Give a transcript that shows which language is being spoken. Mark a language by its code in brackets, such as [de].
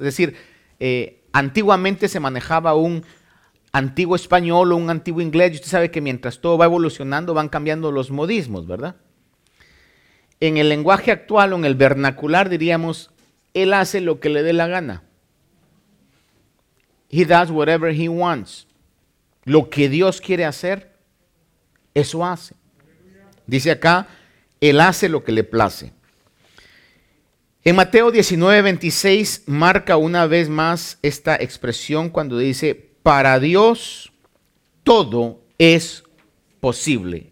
[es] Es decir, antiguamente se manejaba un antiguo español o un antiguo inglés, y usted sabe que mientras todo va evolucionando van cambiando los modismos, ¿verdad? En el lenguaje actual o en el vernacular diríamos, Él hace lo que le dé la gana. [en] He does whatever he wants. [es] Lo que Dios quiere hacer, eso hace. Dice acá, Él hace lo que le place. En Mateo 19:26 marca una vez más esta expresión cuando dice, para Dios todo es posible.